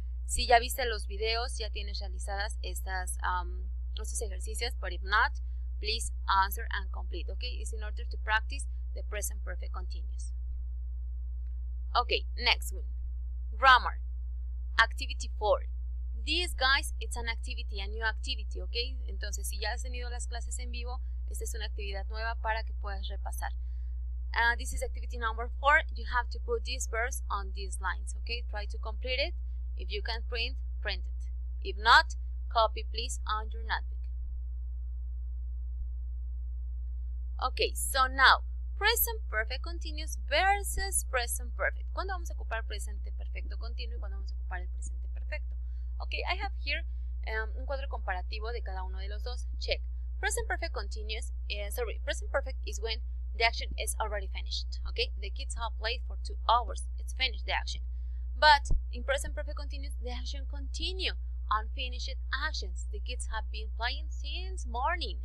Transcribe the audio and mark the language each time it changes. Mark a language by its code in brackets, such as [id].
[es] Si ya viste los videos, ya tienes realizadas estas, estos ejercicios, [en] but if not, please answer and complete. Okay, it's in order to practice the present perfect continuous. Okay, next one. Grammar, activity 4. This, guys, it's an activity, a new activity, ok? [es] Entonces, si ya has tenido las clases en vivo, esta es una actividad nueva para que puedas repasar. [en] This is activity number 4. You have to put these verbs on these lines, ok? Try to complete it. If you can print, print it. If not, copy, please, on your notebook. Ok, so now, present perfect [es] continuous versus present perfect. ¿Cuándo vamos a ocupar presente perfecto continuo y cuándo vamos a ocupar el presente perfecto? [en] Okay, I have here [es] un cuadro comparativo de cada uno de los dos. [en] Check. Present perfect is when the action is already finished. Okay, the kids have played for 2 hours. It's finished, the action. But in present perfect continuous, the action continue. Unfinished actions. The kids have been playing since morning.